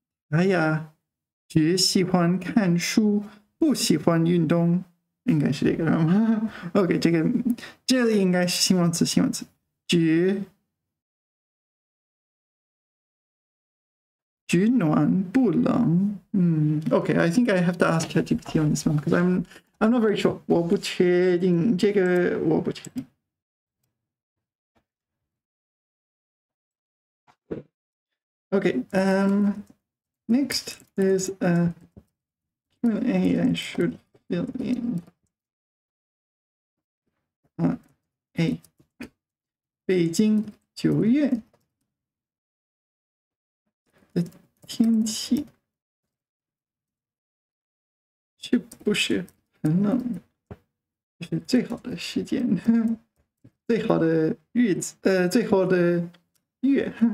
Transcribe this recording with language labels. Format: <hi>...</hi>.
<zh>哎呀，只喜欢看书，不喜欢运动，应该是这个吗 ？OK，这个这里应该是形容词，形容词，只暖不冷。</zh> <en>OK，I think I have to ask ChatGPT on this one because I'm not very sure。</en> <zh>我不确定这个，我不确定。</zh> <en>OK，next is a Q&A I should fill in. A.</en> <zh>北京9月的天气是不是很冷？是最好的时间，最好的日子，最好的月。</zh>